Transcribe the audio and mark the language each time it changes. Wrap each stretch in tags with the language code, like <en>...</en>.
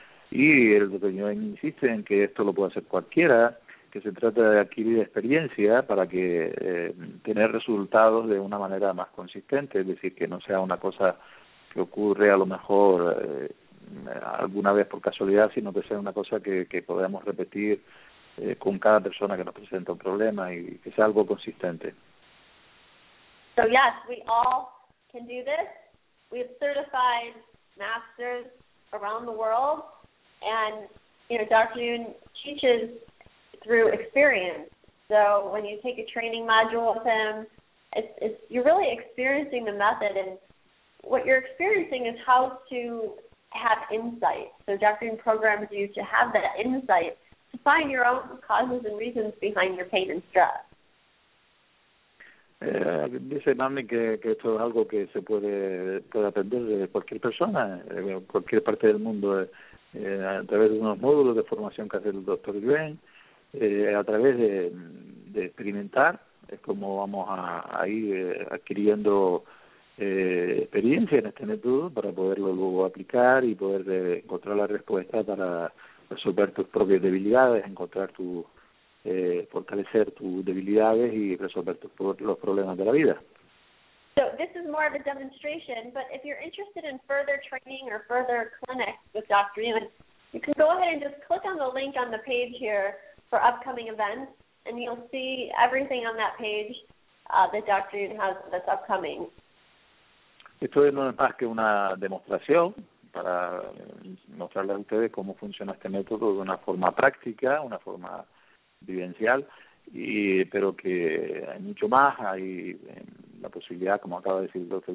<es>Y el doctor Yuen insiste en que esto lo puede hacer cualquiera, que se trata de adquirir experiencia para que tener resultados de una manera más consistente, es decir, que no sea una cosa que ocurre a lo mejor alguna vez por casualidad, sino que sea una cosa que podamos repetir con cada persona que nos presenta un problema y que sea algo consistente.</es> <en>So yes, we all can do this. We have certified masters around the world, and you know, Dr. Yuen teaches through experience. So when you take a training module with him, it's you're really experiencing the method, and what you're experiencing is how to have insight. So Dr. Yuen programs you to have that insight to find your own causes and reasons behind your pain and stress.</en> <es>Dice Mami que esto es algo que se puede aprender de cualquier persona, de cualquier parte del mundo, a través de unos módulos de formación que hace el Dr. Yuen, a través de experimentar, es como vamos a ir adquiriendo experiencia en este método para poderlo luego aplicar y poder encontrar la respuesta para resolver tus propias debilidades, encontrar tu... fortalecer tus debilidades y resolver los problemas de la vida.</es> <en>So this is more of a demonstration, but if you're interested in further training or further clinics with Dr. Yuen, you can go ahead and just click on the link on the page here for upcoming events, and you'll see everything on that page that Dr. Yun has that's upcoming.</en> <es>Esto no es más que una demostración para mostrarles a ustedes cómo funciona este método de una forma práctica, una forma vivencial, y pero que hay mucho más, hay la posibilidad, como acaba de decir el Dr.</es>